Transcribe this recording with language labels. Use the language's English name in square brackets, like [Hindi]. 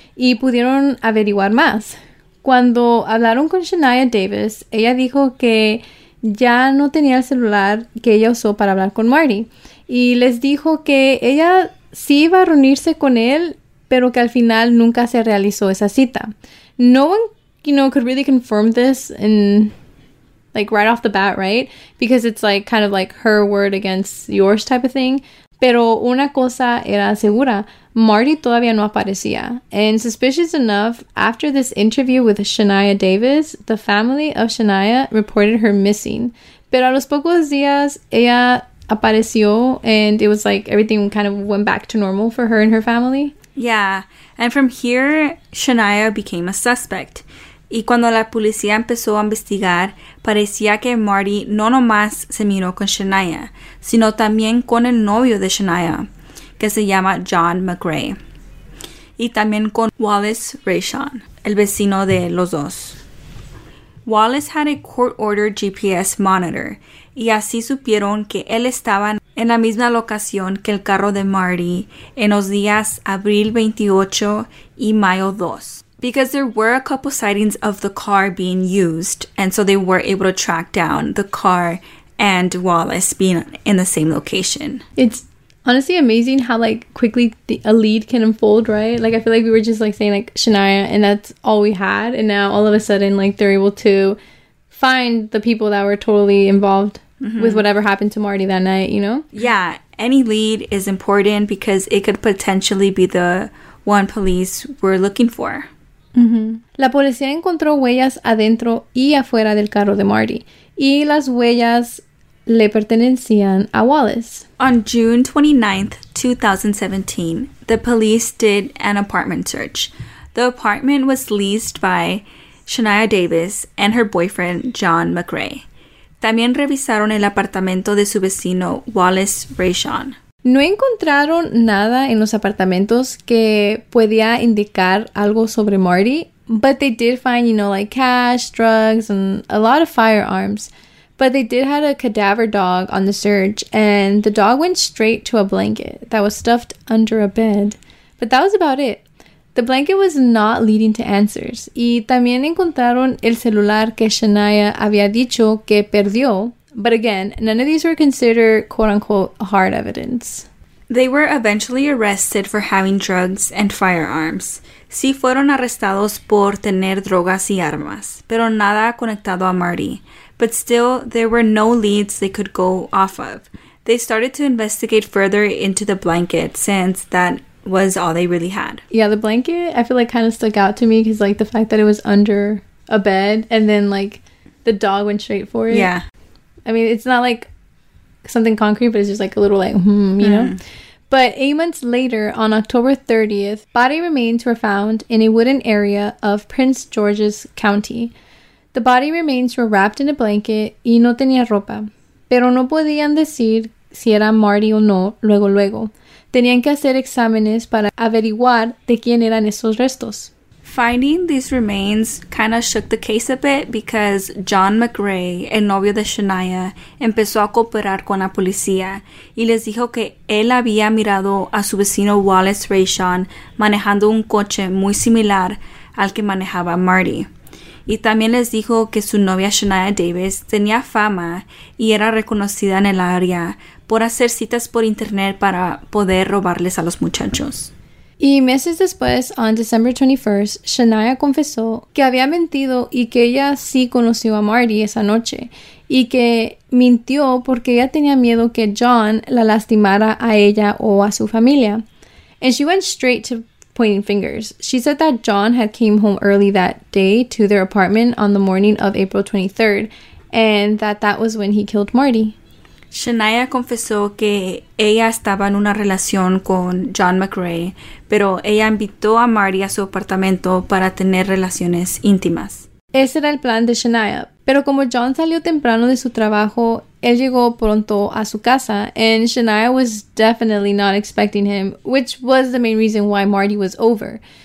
[Spanish] Y pudieron averiguar más. Cuando hablaron con Shania Davis, ella dijo que ya no tenía el celular que ella usó para hablar con Marty. Y les dijo que ella sí iba a reunirse con él, pero que al final nunca se realizó esa cita. [English] No one, you know, could really confirm this in, like, right off the bat, right? Because it's like kind of like her word against yours type of thing. [Spanish] Pero una cosa era segura. Marty todavía no aparecía. [English] And suspicious enough, after this interview with Shania Davis, the family of Shania reported her missing. [Spanish] Pero a los pocos días, ella apareció, [English] and it was like everything kind of went back to normal for her and her family. Yeah, and from here, Shania became a suspect. [Spanish] Y cuando la policía empezó a investigar, parecía que Marty no nomás se miró con Shania, sino también con el novio de Shania, que se llama John McRae. Y también con Wallace Rayshon, el vecino de los dos. [English] Wallace had a court-ordered GPS monitor, [Spanish] y así supieron que él estaba en la misma locación que el carro de Marty en los días abril 28 y mayo 2. [English] Because there were a couple sightings of the car being used, and so they were able to track down the car and Wallace being in the same location. It's honestly amazing how, like, quickly a lead can unfold, right? Like, I feel like we were just, like, saying, like, Shania, and that's all we had. And now, all of a sudden, like, they're able to find the people that were totally involved mm-hmm. with whatever happened to Marty that night, you know? Yeah, any lead is important because it could potentially be the one police were looking for. Mm-hmm. [Spanish] La policía encontró huellas adentro y afuera del carro de Marty, y las huellas le pertenecían a Wallace. [English] On June 29th, 2017, the police did an apartment search. The apartment was leased by Shania Davis and her boyfriend, John McRae. [Spanish] También revisaron el apartamento de su vecino, Wallace Rayshon. No encontraron nada en los apartamentos que podía indicar algo sobre Marty, [English] but they did find, you know, like cash, drugs, and a lot of firearms. But they did have a cadaver dog on the search, and the dog went straight to a blanket that was stuffed under a bed. But that was about it. The blanket was not leading to answers. Y también encontraron el celular que Shania había dicho que perdió. But again, none of these were considered, quote-unquote, hard evidence. They were eventually arrested for having drugs and firearms. [Spanish] Sí fueron arrestados por tener drogas y armas, pero nada conectado a Marty. [English] But still, there were no leads they could go off of. They started to investigate further into the blanket, since that was all they really had. Yeah, the blanket, I feel like, kind of stuck out to me, because, like, the fact that it was under a bed, and then, like, the dog went straight for it. Yeah. I mean, it's not like something concrete, but it's just like a little like, you know? Mm-hmm. But 8 months later, on October 30th, body remains were found in a wooden area of Prince George's County. The body remains were wrapped in a blanket [Spanish] y no tenía ropa. Pero no podían decir si era Marty o no luego. Tenían que hacer exámenes para averiguar de quién eran esos restos. [English] finding these remains kind of shook the case a bit because John McRae, [Spanish] el novio de Shania, empezó a cooperar con la policía y les dijo que él había mirado a su vecino Wallace Rayshon manejando un coche muy similar al que manejaba Marty. Y también les dijo que su novia Shania Davis tenía fama y era reconocida en el área por hacer citas por internet para poder robarles a los muchachos. Y meses después, [English] on December 21st, [Spanish] Shania confesó que había mentido y que ella sí conoció a Marty esa noche. Y que mintió porque ella tenía miedo que John la lastimara a ella o a su familia. [English] And she went straight to pointing fingers. She said that John had came home early that day to their apartment on the morning of April 23rd. And that was when he killed Marty. [Spanish] Shania confesó que ella estaba en una relación con John McRae, pero ella invitó a Marty a su apartamento para tener relaciones íntimas. Ese era el plan de Shania, pero como John salió temprano de su trabajo, él llegó pronto a su casa, [English] and Shania was definitely not expecting him, which was the main reason why Marty was over.